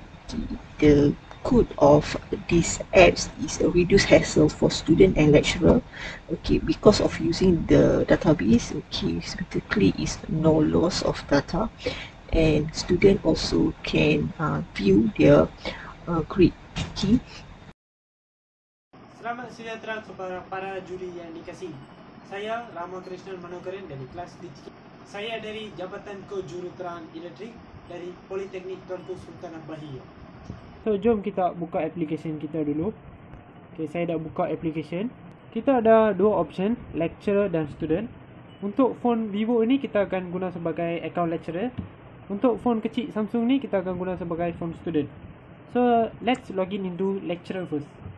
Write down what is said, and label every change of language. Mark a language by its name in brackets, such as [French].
[English] Okay, the code of this apps is a reduced hassle for student and lecturer. Okay, because of using the database, okay, specifically is no loss of data, and student also can view their grade. Okay. [Malay] Selamat sejahtera kepada para juri yang dikasih. Saya Ramakrishnan Manoharan dari kelas DTK. Saya dari Jabatan Kejuruteraan Elektrik dari Politeknik Tuanku Sultan Abahiyah. So, jom kita buka application kita dulu. Okay, saya dah buka application. Kita ada dua option, lecturer dan student. Untuk phone Vivo ini, kita akan guna sebagai account lecturer. Untuk phone kecil Samsung ni, kita akan guna sebagai phone student. [English] So, let's login into lecturer first.